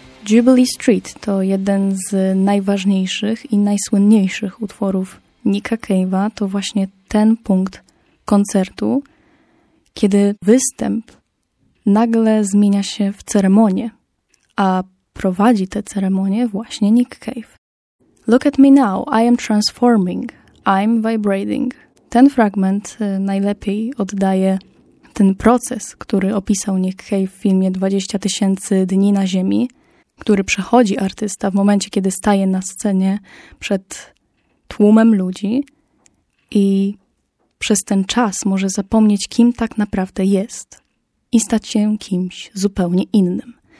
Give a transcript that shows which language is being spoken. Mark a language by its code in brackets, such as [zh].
[pl] Jubilee Street to jeden z najważniejszych i najsłynniejszych utworów Nicka Cave'a. To właśnie ten punkt koncertu, kiedy występ nagle zmienia się w ceremonię, a prowadzi tę ceremonię właśnie Nick Cave. [en] Look at me now, I am transforming, I'm vibrating. [pl] Ten fragment najlepiej oddaje ten proces, który opisał Nick Cave w filmie 20 tysięcy dni na Ziemi, który przechodzi artysta w momencie, kiedy staje na scenie przed tłumem ludzi i przez ten czas może zapomnieć, kim tak naprawdę jest i stać się kimś zupełnie innym.